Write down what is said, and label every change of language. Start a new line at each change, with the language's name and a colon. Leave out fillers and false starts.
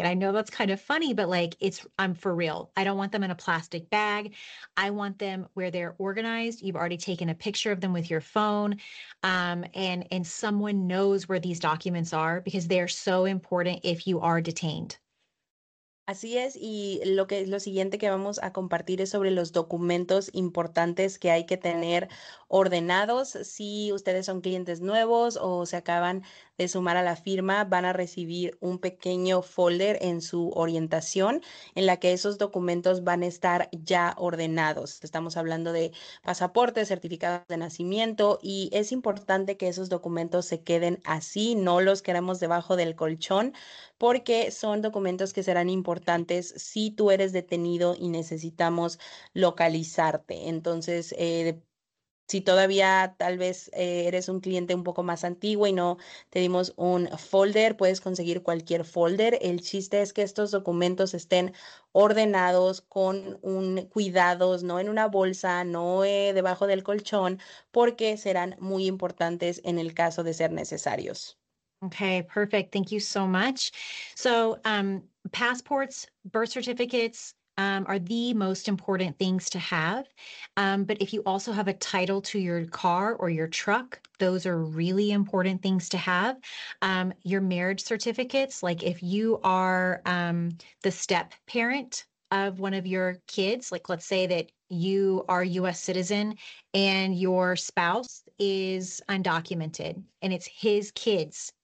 English: And I know that's kind of funny, but like I'm for real. I don't want them in a plastic bag. I want them where they're organized. You've already taken a picture of them with your phone, and someone knows where these documents are because they are so important if you are detained.
Spanish: Así es, y lo siguiente que vamos a compartir es sobre los documentos importantes que hay que tener ordenados si ustedes son clientes nuevos o se acaban de sumar a la firma, van a recibir un pequeño folder en su orientación en la que esos documentos van a estar ya ordenados. Estamos hablando de pasaporte, certificados de nacimiento, y es importante que esos documentos se queden así, no los queremos debajo del colchón, porque son documentos que serán importantes si tú eres detenido y necesitamos localizarte. Entonces, si todavía tal vez eres un cliente un poco más antiguo y no te dimos un folder, puedes conseguir cualquier folder. El chiste es que estos documentos estén ordenados con un cuidados, no en una bolsa, no debajo del colchón, porque serán muy importantes en el caso de ser necesarios.
English: Okay, perfect. Thank you so much. So, passports, birth certificates, are the most important things to have. But if you also have a title to your car or your truck, those are really important things to have. Your marriage certificates, like if you are the step parent of one of your kids, like let's say that you are a US citizen and your spouse is undocumented and it's his kids.